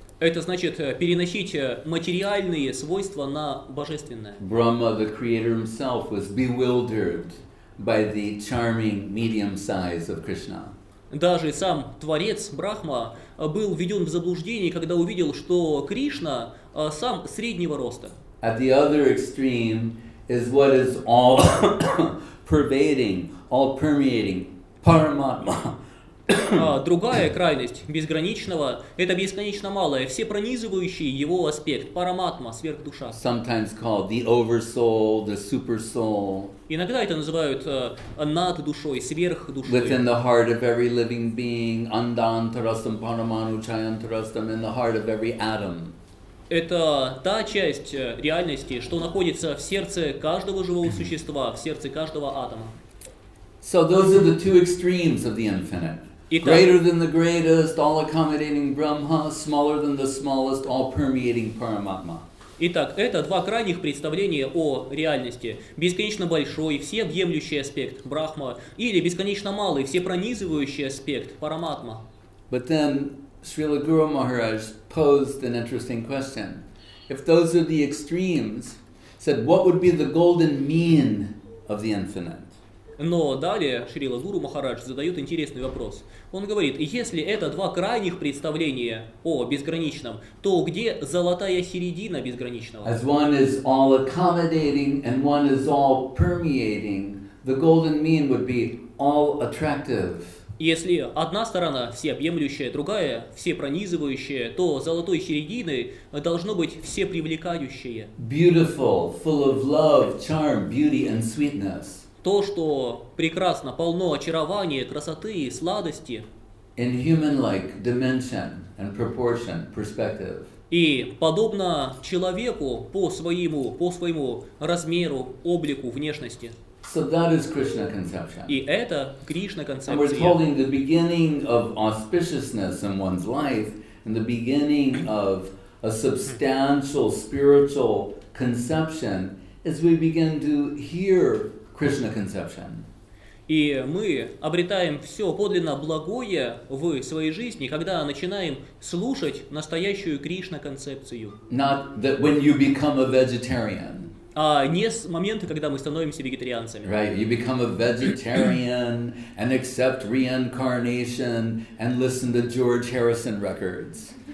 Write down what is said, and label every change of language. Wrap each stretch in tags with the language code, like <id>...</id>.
<ru>Это значит переносить материальные свойства на божественное.</ru> <en>Brahma, the creator himself, was bewildered by the charming medium size of Krishna.</en> <ru>Даже сам творец Брахма был введен в заблуждение, когда увидел, что Кришна сам среднего роста.</ru> <en>At the other extreme is what is all pervading, all permeating.</en> <ru>Параматма. Другая крайность безграничного – это бесконечно малое, всепронизывающий его аспект, параматма, сверхдуша.</ru> <en>Sometimes called the oversoul, the supersoul.</en> <ru>Иногда это называют над душой, сверхдушой.</ru> <en>Within the heart of every living being,</en> <sa>андантарастам параману чаянтарастам,</sa> <en>in the heart of every atom.</en> <ru>Это та часть реальности, что находится в сердце каждого живого существа, в сердце каждого атома.</ru> <en>So those are the two extremes of the infinite.</en> <ru>Итак,</ru> <en>greater than the greatest, all accommodating Brahma, smaller than the smallest, all permeating Paramatma.</en> <ru>Итак, это два крайних представления о реальности. Бесконечно большой, всеобъемлющий аспект Брахма, или бесконечно малый, всепронизывающий аспект Параматма.</ru> <en>But then Srila Guru Maharaj posed an interesting question. If those are the extremes, said, what would be the golden mean of the infinite?</en> <ru>Но далее Шрила Гуру Махарадж задает интересный вопрос. Он говорит, если это два крайних представления о безграничном, то где золотая середина безграничного?</ru> <en>As one is all accommodating and one is all permeating, the golden mean would be all attractive.</en> <ru>Если одна сторона всеобъемлющая, другая всепронизывающая, то золотой середины должно быть всепривлекающее.</ru> <en>Beautiful, full of love, charm, beauty and sweetness.</en> <ru>То, что прекрасно, полно очарования, красоты и сладости.</ru> <en>In human-like dimension and proportion, perspective.</en> <ru>И подобно человеку по своему размеру, облику, внешности.</ru> <en>So that is Krishna conception.</en> <ru>И это Кришна концепция.</ru> <en>And we're calling the beginning of auspiciousness in one's life and the beginning of a substantial spiritual conception as we begin to hear Krishna conception.</en> <ru>И мы обретаем все подлинно благое в своей жизни, когда начинаем слушать настоящую Кришна концепцию.</ru> <en>Not that when you become a vegetarian.</en> <ru>А не с момента, когда мы становимся вегетарианцами.</ru> <en>Right, you become a vegetarian and accept reincarnation and listen to George Harrison records.</en>